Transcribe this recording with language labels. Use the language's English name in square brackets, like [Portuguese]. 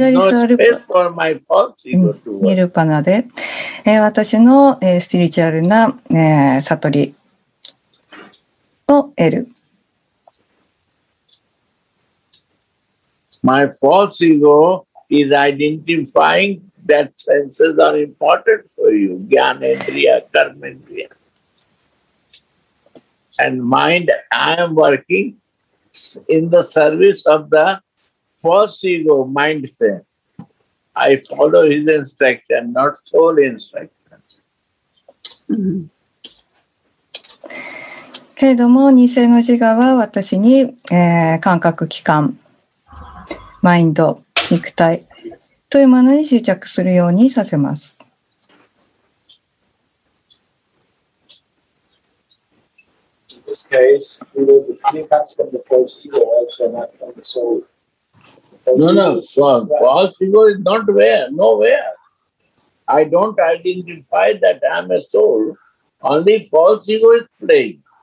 [Japanese] ニルパナで、私の、スピリチュアルな、悟りを得る。 [English] My false ego is identifying that senses are important for you, jnana indriya, karma indriya. And mind, I am working in the service of the false ego mindset. I follow his instruction, not soul instruction. [Japanese] けれども、偽の自我は私に、感覚器官、マインド、肉体というものに執着するようにさせます。 [English] In this case, the fear comes from the false ego, also not from the soul. False ego is not where, nowhere. I don't identify that I am a soul. Only false ego is playing.